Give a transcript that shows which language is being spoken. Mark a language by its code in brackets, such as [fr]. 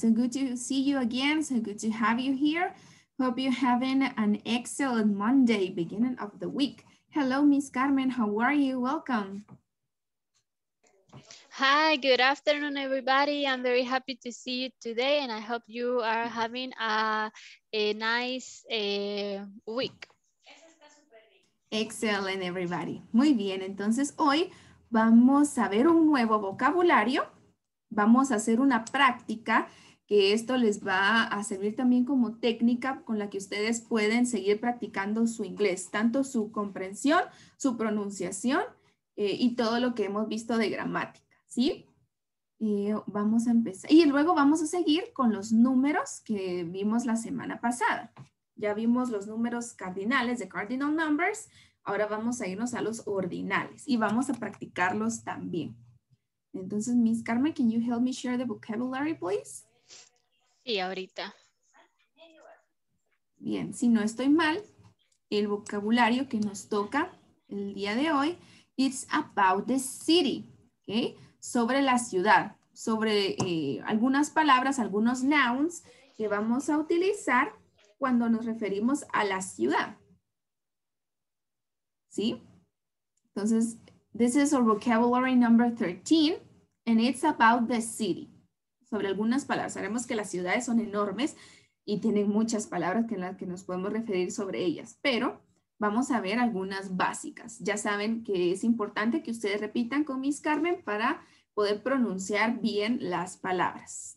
[en] So good to see you again. So good to have you here. Hope you're having an excellent Monday, beginning of the week. Hello, Miss Carmen. How are you? Welcome. Hi, good afternoon, everybody. I'm very happy to see you today, and I hope you are having a nice week. Excellent, everybody. [es] Muy bien, entonces hoy vamos a ver un nuevo vocabulario, vamos a hacer una práctica que esto les va a servir también como técnica con la que ustedes pueden seguir practicando su inglés, tanto su comprensión, su pronunciación y todo lo que hemos visto de gramática, ¿sí? Y vamos a empezar y luego vamos a seguir con los números que vimos la semana pasada. Ya vimos los números cardinales, [en] the cardinal numbers. [es] Ahora vamos a irnos a los ordinales y vamos a practicarlos también. [en] Entonces, Miss Carmen, can you help me share the vocabulary, please? [es] Sí, ahorita. Bien, si no estoy mal, el vocabulario que nos toca el día de hoy, [en] it's about the city, okay? [es] Sobre la ciudad, sobre algunas palabras, algunos nouns que vamos a utilizar cuando nos referimos a la ciudad. ¿Sí? [en] Entonces, this is our vocabulary number 13, and it's about the city. [es] Sobre algunas palabras. Sabemos que las ciudades son enormes y tienen muchas palabras en las que nos podemos referir sobre ellas, pero vamos a ver algunas básicas. Ya saben que es importante que ustedes repitan con Miss Carmen para poder pronunciar bien las palabras.